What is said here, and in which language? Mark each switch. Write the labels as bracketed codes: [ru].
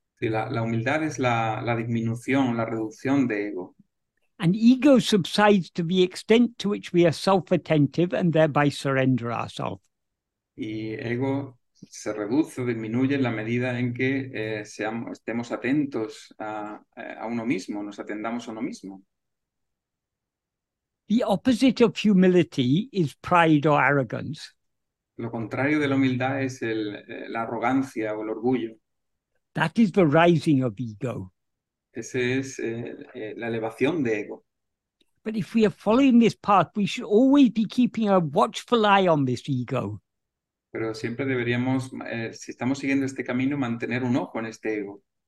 [es] Sí, la humildad es la disminución, la reducción de ego. [en] And ego subsides to the extent to which we are self-attentive and thereby surrender ourselves. [es] Y ego se reduce o disminuye en la medida en que estemos atentos a uno mismo, nos atendamos a uno mismo. [en] The opposite of humility is pride or arrogance. [es] Lo contrario de la humildad es la arrogancia o el orgullo. [en] That is the rising of ego. [es] Ese es la elevación de ego. [en] But if we are following this path, we should always be keeping a watchful eye on this ego. [es] Pero siempre deberíamos, si estamos siguiendo este camino, mantener un ojo en este ego.